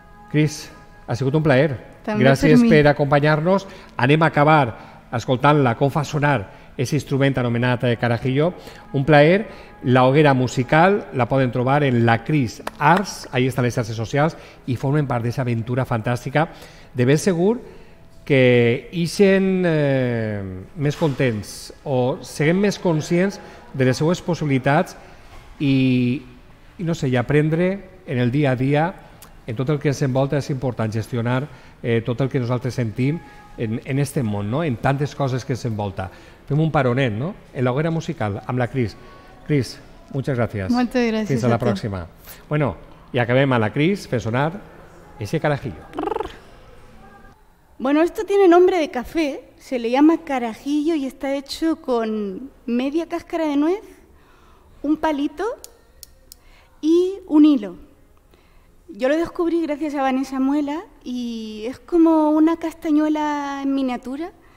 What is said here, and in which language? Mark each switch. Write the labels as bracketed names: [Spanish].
[Spanish] Cris, ha sido un placer. También gracias por acompañarnos. [Catalan] Anem a acabar escoltant-la, com fa sonar ese instrumento anomenado de carajillo. [Spanish] Un placer. La hoguera musical la pueden trobar en la Cris Arts, ahí están las redes sociales, y formen parte de esa aventura fantástica. [Catalan] De ben segur que ixen més contents o siguen més conscients de les seues possibilitats i no sé, i aprendre en el dia a dia, en tot el que ens envolta, és important gestionar tot el que nosaltres sentim en este món, no? En tantes coses que s'envolta. Fem un paronet, no? En la hoguera musical, amb la Cris. Cris, moltes gràcies. Moltes gràcies. Fins a la pròxima. Bueno, i acabem amb la Cris fent sonar ese carajillo. [Spanish] Bueno, esto tiene nombre de café, se le llama carajillo y está hecho con media cáscara de nuez, un palito y un hilo. Yo lo descubrí gracias a Vanessa Muela y es como una castañuela en miniatura.